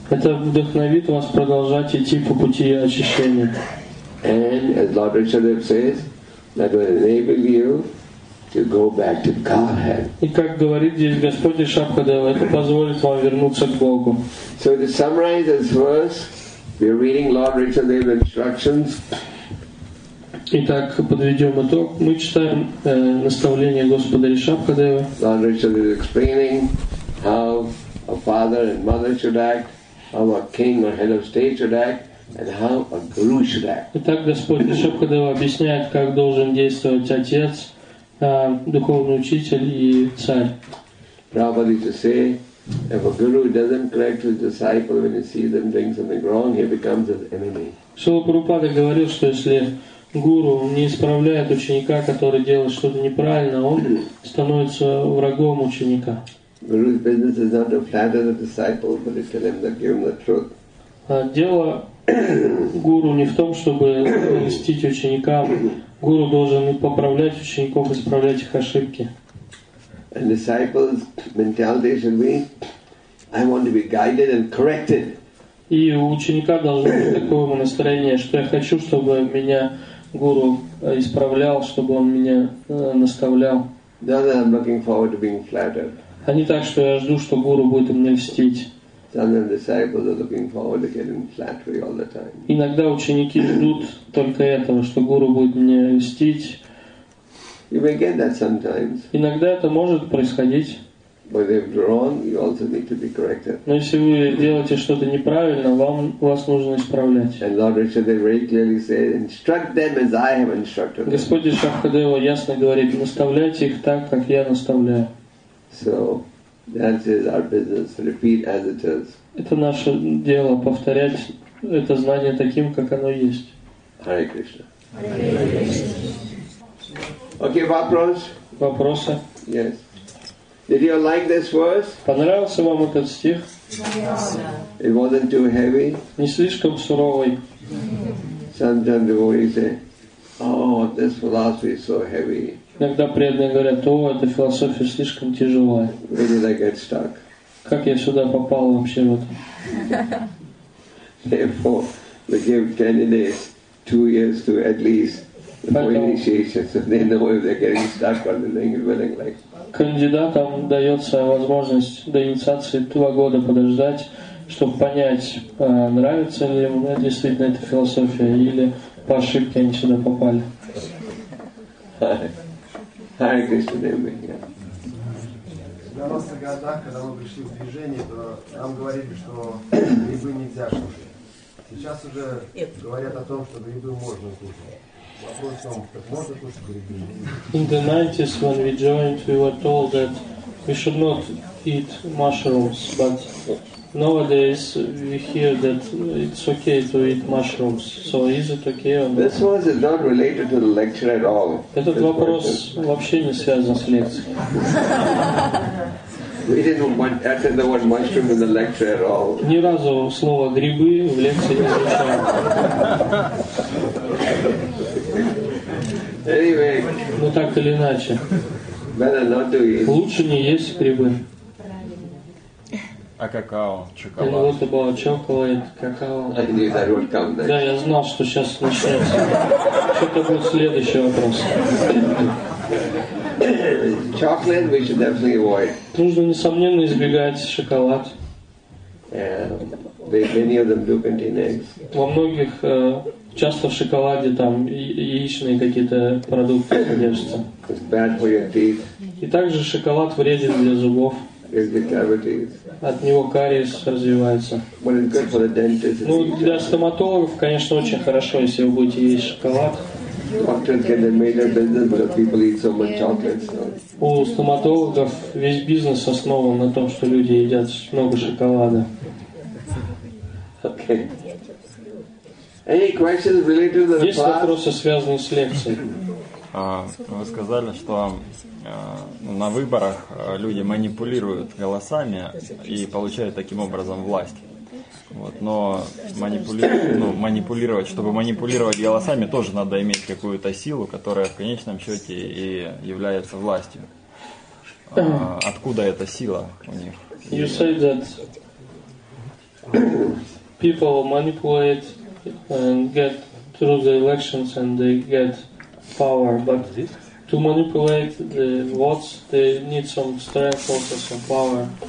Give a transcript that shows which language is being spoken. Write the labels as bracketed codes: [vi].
[ru] Это вдохновит вас продолжать идти по пути очищения. [en] And as Lord Rishabh says, that will enable you to go back to Godhead. [ru] И как говорит здесь Господь Ишабхадева, это позволит вам вернуться к Богу. [en] So to summarize this verse, we are reading Lord Rishabh's instructions. [ru] Итак, подведем итог. Мы читаем наставление Господа Ришабхадевы. [en] Lord Richard is explaining how a father and mother should act, how a king or head of state should act, and how a guru should act. [ru] Итак, Господь Ришабхадева объясняет, как должен действовать отец, духовный учитель и царь. [en] Prabhupada used to say, if a guru doesn't correct his disciple when he sees them doing something wrong, he becomes his enemy. [ru] Шрила Прабхупада говорил, что если гуру не исправляет ученика, который делает что-то неправильно, он становится врагом ученика. [en] Guru's business is not to flatter the disciple, but to tell him that give him the truth. [ru] Дело гуру не в том, чтобы льстить ученикам. Гуру должен поправлять учеников, исправлять их ошибки. [en] A disciple's mentality should be, I want to be guided and corrected. [ru] И у ученика должно быть такое настроение, что я хочу, чтобы меня гуру исправлял, чтобы он меня наставлял. [en] The other, I'm looking forward to being flattered. [ru] А не так, что я жду, что гуру будет мне льстить. [en] Sometimes disciples are looking forward to getting flattery all the time. [ru] Иногда ученики ждут только этого, что гуру будет мне льстить. [en] You may get that sometimes. [ru] Иногда это может происходить. [en] But if wrong, you also need to be corrected. [ru] Но если вы делаете что-то неправильно, вас нужно исправлять. [en] And Lord Richard very clearly said, instruct them as I have instructed them. [ru] Господь Ришабхадева ясно говорит, наставляйте их так, как я наставляю. [en] So. That is our business. Repeat as it is. [ru] Это наше дело повторять это знание таким, как оно есть. [sa] Hare Krishna. Hare Krishna. [ru] Okay, вопрос. Вопросы. [en] Yes. Did you like this verse? [ru] Понравился вам этот стих? [en] It wasn't too heavy. [ru] Не слишком суровый. [en] Sometimes devotees say, "Oh, this philosophy is so heavy." [ru] Иногда преданные говорят, о, эта философия слишком тяжелая. [en] Where did I get stuck? [ru] Как я сюда попал вообще в это? [en] Therefore, we give candidates 2 years to at least for initiation, so they know if they're getting stuck or they're doing it willingly. [ru] Кандидатам дается возможность до инициации 2 года подождать, чтобы понять, нравится ли им действительно эта философия, или по ошибке они сюда попали. [sa] Hare Krishna. [ru] В 90-х годах, когда мы пришли в движение, то нам говорили, что грибы нельзя кушать. Сейчас уже говорят о том, что грибы можно кушать. Вопрос в том, как можно кушать грибы. [en] In the 90s, when we joined, we were told that we should not eat mushrooms. But nowadays, we hear that it's okay to eat mushrooms. So is it okay or not? This was not related to the lecture at all. [ru] Этот вопрос вообще не связан с лекцией. [en] We didn't utter the word mushroom in the lecture at all. [ru] Ни разу слово грибы в лекции не звучало. [en] Anyway. [ru] Ну так или иначе. [en] Better not to eat. [ru] Лучше не есть грибы. А какао, чоколад. [en] And what about chocolate, какао? I knew that would come next. [ru] Да, я знал, что сейчас начнется. Что-то будет следующий вопрос. [en] Chocolate we should definitely avoid. [ru] Нужно несомненно избегать шоколад. [en] Many of them do contain eggs. [ru] Во многих часто в шоколаде там яичные какие-то продукты содержатся. [en] It's bad for your teeth. [ru] И также шоколад вреден для зубов. [en] Is the cavities. [ru] От него кариес развивается. [en] Well, it's good for the dentist. [ru] Ну, для стоматологов, конечно, очень хорошо, если вы будете есть шоколад. [en] Doctors can make their business, but people eat so much chocolate. [ru] У стоматологов весь бизнес основан на том, что люди едят много шоколада. [en] Okay. Any questions related to the class? [ru] Есть вопросы, связанные с лекцией? Вы сказали, что на выборах люди манипулируют голосами и получают таким образом власть. Вот, но манипулировать, чтобы манипулировать голосами, тоже надо иметь какую-то силу, которая в конечном счете и является властью. Откуда эта сила у них? [en] You say that people manipulate and get through the elections and they get power, but to manipulate the votes, they need some strength, also some power.